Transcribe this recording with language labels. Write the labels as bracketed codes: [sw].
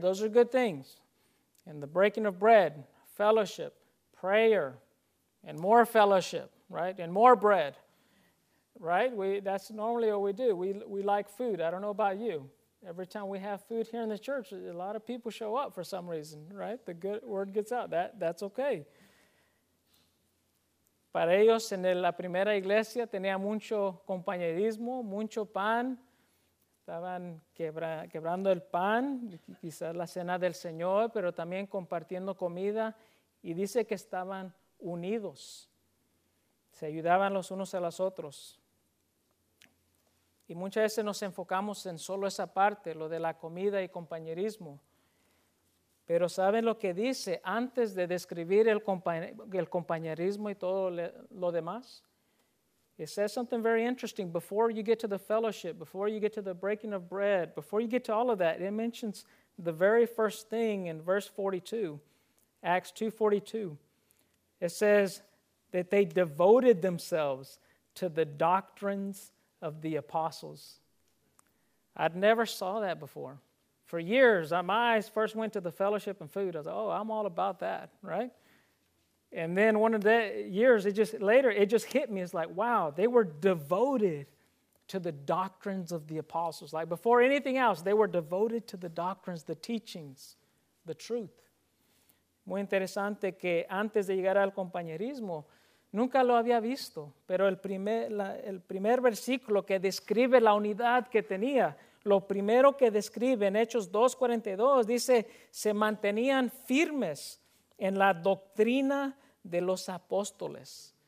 [en] Those are good things. And the breaking of bread, fellowship, prayer, and more fellowship, right? And more bread, right? That's normally what we do. We like food. I don't know about you. Every time we have food here in the church, a lot of people show up for some reason, right? The good word gets out. That's okay. [es] Para ellos en la primera iglesia tenía mucho compañerismo, mucho pan. Estaban quebrando el pan, quizás la cena del Señor, pero también compartiendo comida. Y dice que estaban unidos. Se ayudaban los unos a los otros. Y muchas veces nos enfocamos en solo esa parte, lo de la comida y compañerismo. Pero ¿saben lo que dice antes de describir el compañerismo y todo lo demás? [en] It says something very interesting. Before you get to the fellowship, before you get to the breaking of bread, before you get to all of that, it mentions the very first thing in verse 42, Acts 2:42. It says that they devoted themselves to the doctrines of the apostles. I'd never saw that before. For years, my eyes first went to the fellowship and food. I was like, oh, I'm all about that, right? And then one of the years, it just hit me. It's like, wow, they were devoted to the doctrines of the apostles. Like before anything else, they were devoted to the doctrines, the teachings, the truth. [es] Muy interesante que antes de llegar al compañerismo, nunca lo había visto. Pero el primer versículo que describe la unidad que tenía, lo primero que describe en Hechos 2:42 dice, se mantenían firmes en la doctrina de los apóstoles.